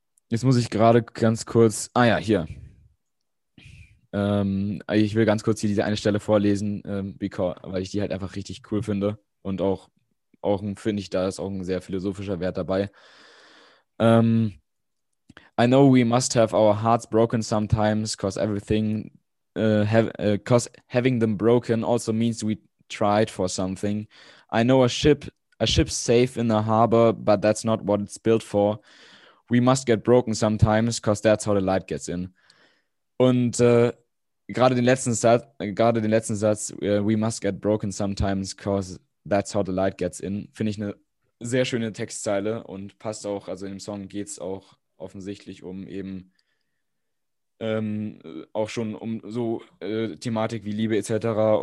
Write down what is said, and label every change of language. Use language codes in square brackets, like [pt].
[de] Jetzt muss ich gerade ganz kurz, hier. Ich will ganz kurz hier diese eine Stelle vorlesen, weil ich die halt einfach richtig cool finde und auch finde ich, da ist auch ein sehr philosophischer Wert dabei. [en] I know we must have our hearts broken sometimes, cause having them broken also means we tried for something. I know a ship's safe in a harbor, but that's not what it's built for. We must get broken sometimes, cause that's how the light gets in. [de] Und gerade den letzten Satz, [en] we must get broken sometimes, cause that's how the light gets in, [de] finde ich eine sehr schöne Textzeile und passt auch, also in dem Song geht es auch offensichtlich um eben auch schon um so Thematik wie Liebe etc.